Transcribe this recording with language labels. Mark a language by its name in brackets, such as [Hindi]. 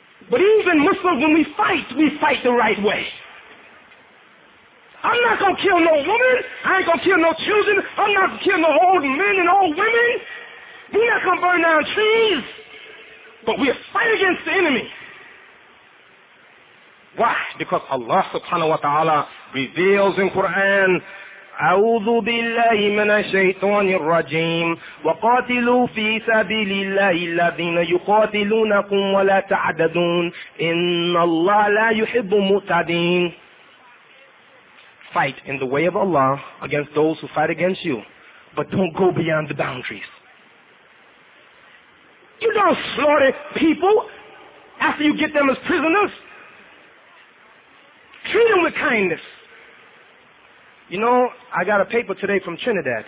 [English] But even Muslims, when we fight the right way. I'm not going to kill no woman. I ain't going to kill no children. I'm not going to kill no old men and old women. We're not going to burn down trees. But we fight against the enemy. Why? Because Allah subhanahu wa ta'ala reveals in Quran, [Arabic] أعوذ بالله من الشيطان الرجيم وقاتلوا في سبيل الله الذين يقاتلونكم ولا تعتدوا إن الله لا يحب المعتدين. [English] Fight in the way of Allah against those who fight against you, but don't go beyond the boundaries. You don't slaughter people after you get them as prisoners. Treat them with kindness. You know, I got a paper today from Trinidad.